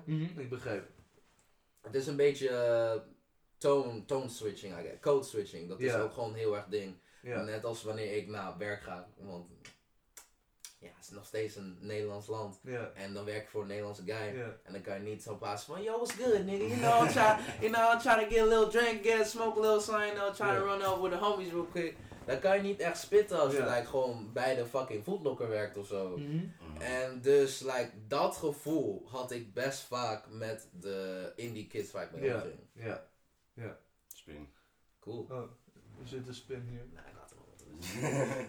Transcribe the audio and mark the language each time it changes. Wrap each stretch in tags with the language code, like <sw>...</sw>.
<nl>Mm-hmm, ik begrijp. Het is een beetje tone switching,</nl> <en>I guess.</en> <nl>Code switching. Dat is ook gewoon een heel erg ding.</nl> <en>Yeah.</en> <nl>Net als wanneer ik naar werk ga, want ja, het is nog steeds een Nederlands land.</nl> <en>Yeah.</en> <nl>En dan werk je voor een Nederlandse guy.</nl> <en>Yeah.</en> <nl>En dan kan je niet zo passen van,</nl> <en>yo, what's good, nigga? You know, I'm trying to get a little drink, get a smoke a little sign. Trying to run out with the homies real quick.</en> <nl>Dan kan je niet echt spitten als je like, gewoon bij de fucking Footlocker werkt of zo. Mm-hmm. En dus, like, dat gevoel had ik best vaak met de indie kids waar ik mee omging. Ja, spin.</nl> <en>Cool.</en> <nl>Oh, is dit een spin hier? Nee, laat hem wel.</nl>